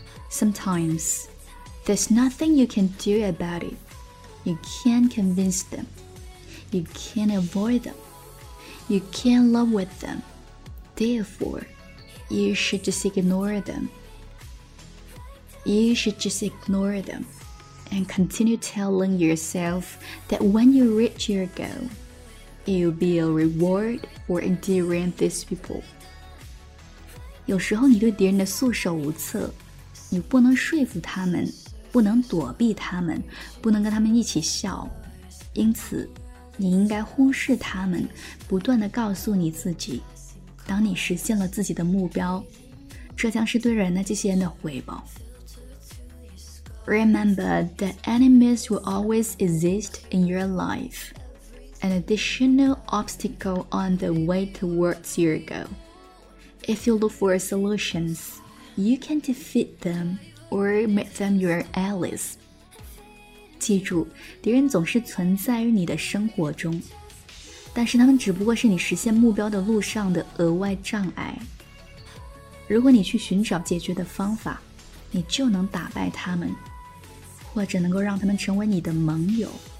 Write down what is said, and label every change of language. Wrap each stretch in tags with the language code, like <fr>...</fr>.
<en>Sometimes there's nothing you can do about it， You can't convince them， You can't avoid them， You can't love with them， Therefore You should just ignore them. You should just ignore them and continue telling yourself that when you reach your goal, it will be a reward for endearing these people.</en> <zh>有时候你对敌人的束手无策，你不能说服他们，不能躲避他们，不能跟他们一起笑。因此，你应该忽视他们，不断地告诉你自己，当你实现了自己的目标，这将是对人的这些人的回报。</zh> <en>Remember that enemies will always exist in your life, an additional obstacle on the way towards your goal. If you look for solutions, you can defeat them or make them your allies.</en> <zh>记住，敌人总是存在于你的生活中，但是他们只不过是你实现目标的路上的额外障碍。如果你去寻找解决的方法，你就能打败他们，或者能够让他们成为你的盟友。</zh>